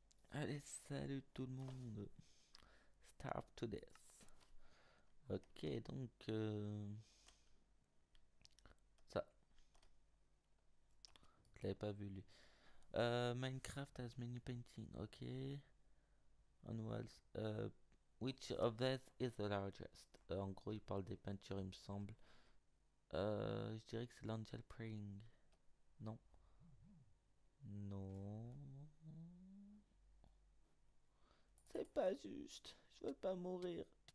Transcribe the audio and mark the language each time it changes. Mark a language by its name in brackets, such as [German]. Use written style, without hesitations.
[French] Allez, salut tout le monde. [English] Starve to death. [French] Ok, donc je l'avais pas vu lui. [English] Minecraft has many paintings. Ok. On walls. Which of these is the largest? [French] En gros, il parle des peintures, il me semble. Je dirais que c'est l'Angel Praying. Non. Non. C'est pas juste. Je veux pas mourir.